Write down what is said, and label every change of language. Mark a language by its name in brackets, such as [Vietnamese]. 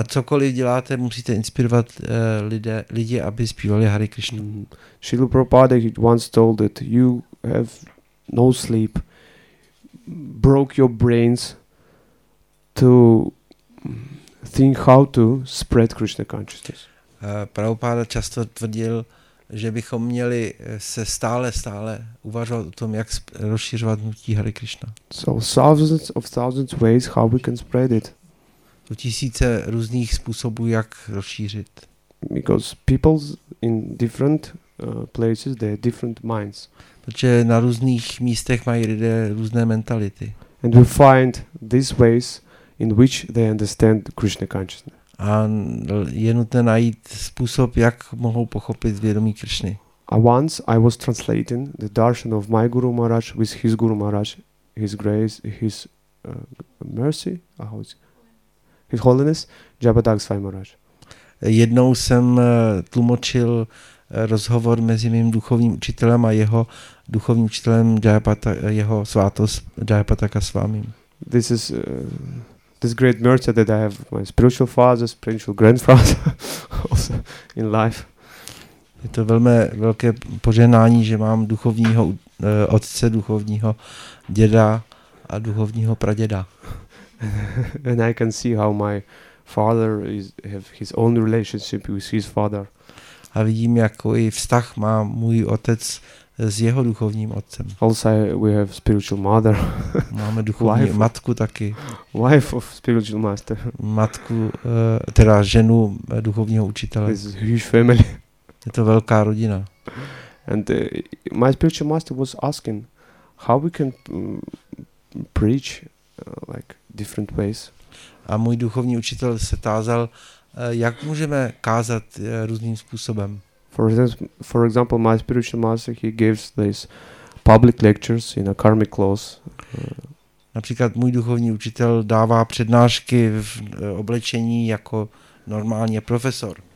[Czech] A cokoliv děláte, musíte inspirovat lidi, aby zpívali Hare Krishna. [English] Srila Prabhupada once told that you have no sleep, broke your brains to think how to spread Krishna consciousness. [Czech] Prabhupada často tvrdil, že bychom měli se stále uvažovat o tom, jak rozšiřovat hnutí Hare Krishna. [English] So thousands of thousands ways how we can spread it. [Czech] To tisíce různých způsobů, jak rozšířit. [English] Because people in different places they have different minds. [Czech] Protože na různých místech mají lidé různé mentality. [English] And we find these ways in which they understand Krishna consciousness. [Czech] A je nutné najít způsob, jak mohou pochopit vědomí Krishny. [English] Once I was translating the darshan of my Guru Maharaj with his Guru Maharaj, his grace, his mercy, his holiness, Jabhadag Swami Maharaj. [Czech] Jednou jsem tlumočil rozhovor mezi mým duchovním učitelem a jeho duchovním učitelem, jeho svátost Jayapataka Swami. [English] This is... This great mercy that I have my spiritual father, spiritual grandfather also in life. [Czech] Je to velmi velké požehnání, že mám duchovního otce, duchovního děda a duchovního praděda. [English] And I can see how my father is have his own relationship with his father. [Czech] A vidím, jaký vztah má můj otec s jeho duchovním otcem. [English] Also we have spiritual mother. [Czech] Máme duchovní matku taky. [English] Wife of spiritual master. [Czech] Matku, teda ženu duchovního učitele. [English] This is huge family. [Czech] Je to velká rodina. [English] And my spiritual master was asking how we can preach like different ways. [Czech] A můj duchovní učitel se tázal, jak můžeme kázat různým způsobem. [English] For example, my spiritual master, he gives these public lectures in a karmic clothes. [Czech] Například můj duchovní učitel dává přednášky v oblečení jako normální profesor.